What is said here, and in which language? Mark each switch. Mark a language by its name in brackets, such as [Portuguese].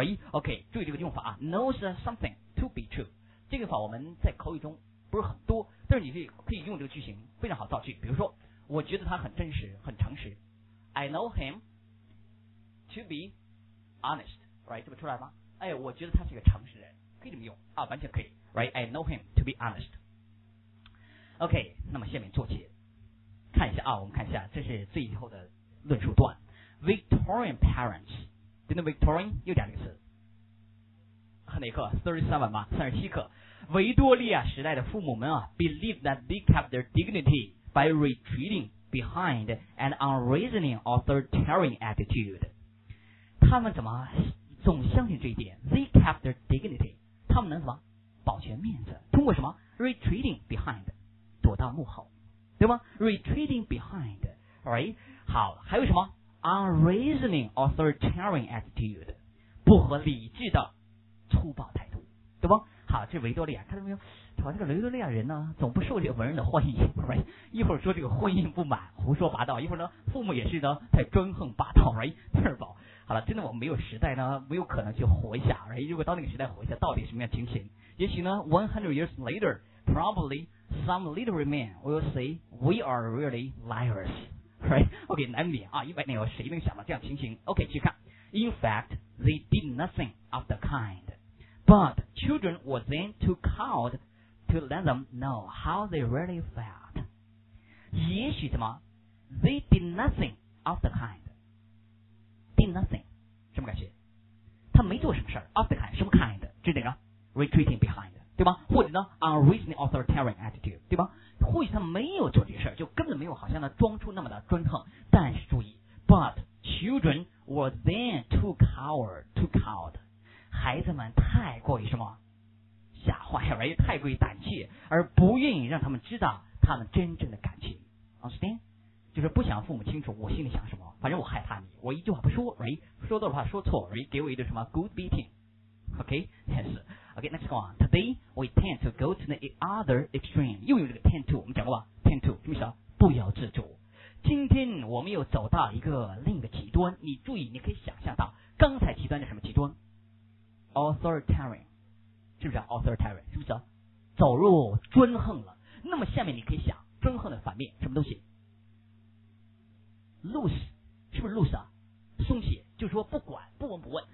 [Chinese] OK， 注意这个用法啊 ， [English] knows something to be true。 [Chinese] 这个法我们在口语中不是很多，但是你可以用这个句型，非常好造句。比如说，我觉得他很真实，很诚实。 [English] I know him to be honest, right? [Chinese] 这么出来吗？哎，我觉得他是一个诚实人，可以这么用啊，完全可以 ， [English] right? I know him to be honest. [Chinese] OK, 那么下面做起，看一下啊，我们看一下，这是最后的论述段。 [English] Victorian parents, didn't Victorian [Chinese] 又加了一个词，哪课 ？37 吗？ 37课。维多利亚时代的父母们啊 [English] ，believe that they kept their dignity by retreating behind an unreasoning authoritarian attitude. [Chinese] 他们怎么总相信这一点 ？ [English] They kept their dignity. [Chinese] 他们能什么？保全面子？通过什么 ？ [English] Retreating behind， [Chinese] 躲到幕后，对吗 ？Retreating behind， [English] right？ [Chinese] 好，还有什么 ？ [English] Unreasoning authoritarian attitude， [Chinese] 不合理智的粗暴态度，对吧？好，这维多利亚，看到没有？好，这个维多利亚人呢，总不受这个文人的欢迎。 [English] Right? [Chinese] 一会儿说这个婚姻不满，胡说八道；一会儿呢，父母也是呢，太专横霸道。 [English] Right? [Chinese] 二宝，好了，真的我们没有时代呢，没有可能去活一下。 [English] Right? [Chinese] 如果到那个时代活一下，到底什么样情形？也许呢 [English] ，100 years later， probably some literary men will say we are really liars。Right? [Chinese] OK， 难免啊，100年后谁能想到这样情形 ？ [English] OK， 去看。 In fact， they did nothing of the kind。 But children were then too cowed to let them know how they really felt. 也许什么 ？ They did nothing of the kind. Did nothing， [Chinese] 什么感觉？他没做什么事儿。 [English] Of the kind， 什么 kind？ [Chinese] 这是哪个 ？ [English] Retreating behind， [Chinese] 对吧？或者呢 ， [English] unreasoning authoritarian attitude， [Chinese] 对吧？或许他没有做这事儿，就根本没有好像呢装出那么的专横。但是注意 [English] ，But children were then too cowed. [Chinese] 孩子们太过于什么吓坏了，也太过于胆怯，而不愿意让他们知道他们真正的感情。 [English] Understand？ [Chinese] 就是不想父母清楚我心里想什么，反正我害怕你，我一句话不说，说多的话说错，给我一个什么 [English] good beating。 OK， yes。 OK， next one。 Today we tend to go to the other extreme， [Chinese] 又有这个 tend to， 我们讲过吧 ？tend to， 什么意思啊？不由自主。今天我们又走到一个另一个极端，你注意，你可以想象到刚才极端的什么极端？ Authoritarian， 是不是 authoritarian？是不是走入专横了？那么下面你可以想，专横的反面什么东西 ？loose， 是不是 loose 啊？松懈，就是说不管，不闻不问。